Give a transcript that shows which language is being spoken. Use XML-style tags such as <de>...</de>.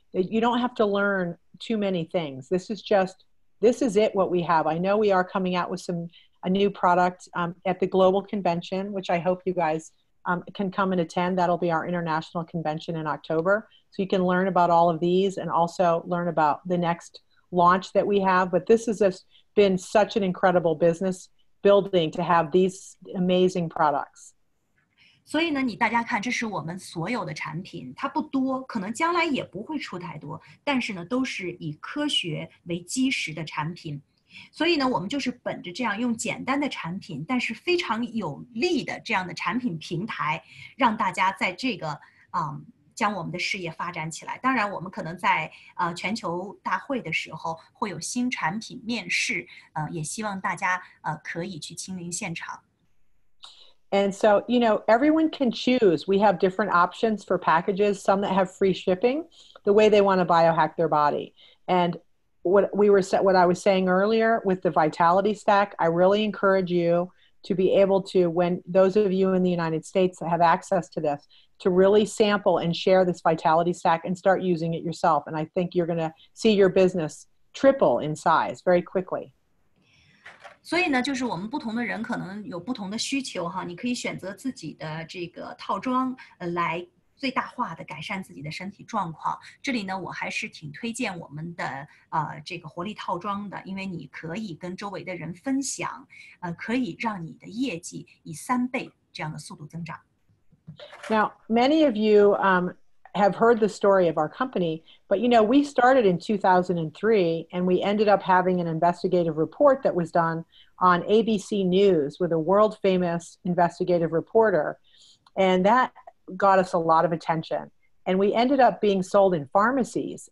<en>You don't have to learn too many things. This is what we have. I know we are coming out with a new product at the global convention, which I hope you guys can come and attend. That'll be our international convention in October. So you can learn about all of these and also learn about the next launch that we have. But this has been such an incredible business building to have these amazing products.</en> <zh>所以呢，你大家看，这是我们所有的产品，它不多，可能将来也不会出太多，但是呢，都是以科学为基石的产品。所以呢，我们就是本着这样用简单的产品，但是非常有力的这样的产品平台，让大家在这个将我们的事业发展起来。当然，我们可能在全球大会的时候会有新产品面世，也希望大家可以去亲临现场。</zh> <en>And so, everyone can choose. We have different options for packages, some that have free shipping, the way they want to biohack their body. And what I was saying earlier with the Vitality Stack, I really encourage you to be able to, when those of you in the United States that have access to this, to really sample and share this Vitality Stack and start using it yourself. And I think you're going to see your business triple in size very quickly.</en> <zh>所以呢，就是我们不同的人可能有不同的需求哈，你可以选择自己的这个套装，来最大化的改善自己的身体状况。这里呢，我还是挺推荐我们的这个活力套装的，因为你可以跟周围的人分享，可以让你的业绩以3倍这样的速度增长。</zh> <en>Now, many of you have heard the story of our company, but we started in 2003 and we ended up having an investigative report that was done on ABC News with a world famous investigative reporter. And that got us a lot of attention. And we ended up being sold in pharmacies.</en>